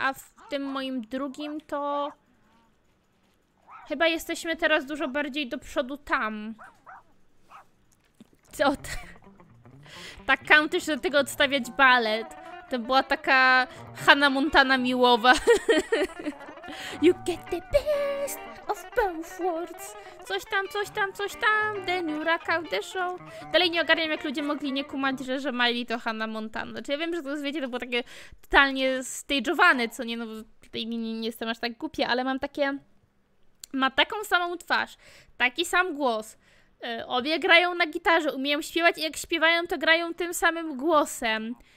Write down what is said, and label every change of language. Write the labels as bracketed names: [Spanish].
[Polish] A w tym moim drugim to... chyba jesteśmy teraz dużo bardziej do przodu tam. Tak, kam też do tego odstawiać balet. To była taka Hannah Montana miłowa. [English] You get the best of both worlds. [Polish] Coś tam. [English] The new rock out the show. [Polish] Dalej nie ogarniam, jak ludzie mogli nie kumać, że Miley to Hannah Montana. Znaczy ja wiem, że to jest, wiecie, to było takie totalnie stage'owane, co nie, no tutaj nie jestem aż tak głupia, ale mam takie... ma taką samą twarz, taki sam głos. Obie grają na gitarze, umieją śpiewać i jak śpiewają, to grają tym samym głosem.